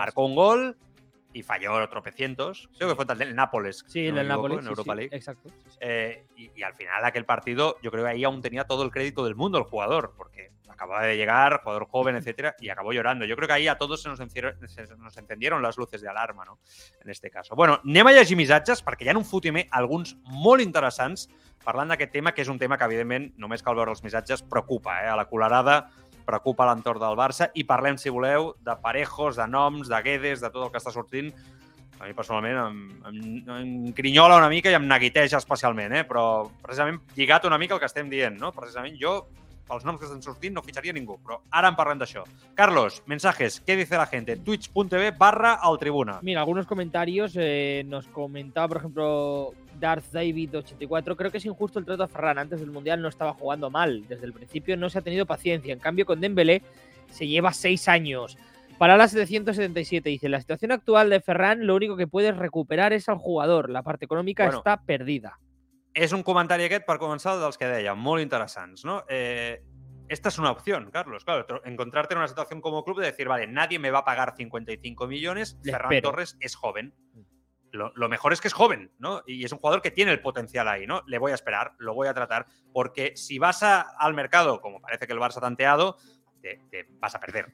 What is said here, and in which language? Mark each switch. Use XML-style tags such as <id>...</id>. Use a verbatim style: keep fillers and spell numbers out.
<es>marcó un gol y falló tropecientos. Creo que fue el Nápoles. Sí, el Nápoles. En Europa League. Exacto. Eh, y, y al final, aquel partido, yo creo que ahí aún tenía todo el crédito del mundo el jugador, porque acababa de llegar, jugador joven, etcétera, y acabó llorando. Yo creo que ahí a todos se nos, encierro, se nos encendieron las luces de alarma, ¿no? En este caso.</es> <ca>Bueno, anem a llegir missatges, perquè hi ha un fotimer, alguns molt interessants, parlant d'aquest tema, que és un tema que, evidentment, només cal veure els missatges, preocupa, eh? A la culerada preocupa l'entorn del Barça, i parlem, si voleu, de Parejos, de noms, de Guedes, de tot el que està sortint. A mi, personalment, em, em, em crinyola una mica i em neguiteja especialment, eh? Però precisament lligat una mica el que estem dient, no? Precisament jo, pels noms que estan sortint, no fitxaria ningú, però ara en parlem d'això.</ca> <es>Carlos, mensajes, ¿qué dice la gente? Twitch.tv barra al tribuna. Mira, algunos comentarios, eh, nos comentaba, por ejemplo, Darth David ochenta y cuatro, creo que es injusto el trato a Ferran, antes del Mundial no estaba jugando mal, desde el principio no se ha tenido paciencia, en cambio con Dembélé se lleva seis años. Para la setecientos setenta y siete dice, la situación actual de Ferran lo único que puedes recuperar es al jugador, la parte económica bueno, está perdida.</es> <ca>És un comentari aquest, per començar, dels que deia, molt interessants, no?</ca> <es>Eh, esta es una opción, Carlos, claro, encontrarte en una situación como club de decir, vale, nadie me va a pagar cincuenta y cinco millones, Le Ferran espero. Torres es joven. Lo, lo mejor es que es joven, ¿no? Y es un jugador que tiene el potencial ahí, ¿no? Le voy a esperar, lo voy a tratar, porque si vas a, al mercado, como parece que el Barça ha tanteado, te, te vas a perder.</es>